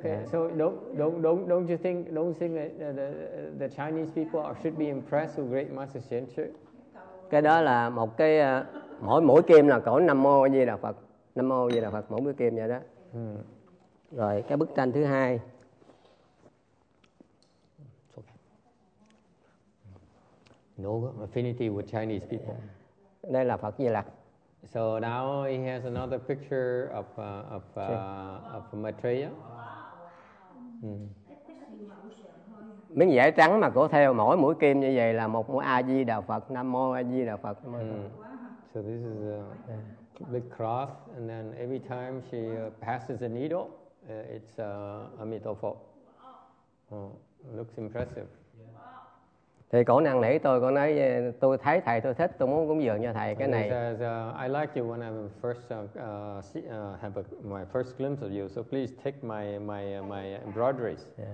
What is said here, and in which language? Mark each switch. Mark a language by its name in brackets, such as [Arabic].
[English] Yeah. So don't you think that the Chinese people should be impressed with great master Shen Chu? [Vietnamese] Cái đó là một cái mỗi kim là cỡ Nam Mô Di Đà Phật. Nam Mô Di Đà Phật mỗi mũi kim vậy đó. Rồi cái bức tranh thứ hai. [English] No affinity with Chinese people. [Vietnamese] Đây là Phật Di Lặc. [English] So now he has another picture of Maitreya. [Vietnamese] Miếng vải trắng mà cổ theo mỗi mũi kim như vậy là một mũi A Di Đà Phật, Nam Mô A Di Đà Phật. [English] So this is a big cross, and then every time she passes a needle. It's Amitabha. Wow. Looks impressive. [Vietnamese] Thì cổ năn nỉ tôi, cổ nói tôi thấy thầy tôi thích, tôi muốn cúng dường cho thầy cái này. [English] Says, I like you when I first have my first glimpse of you, so please take my embroideries.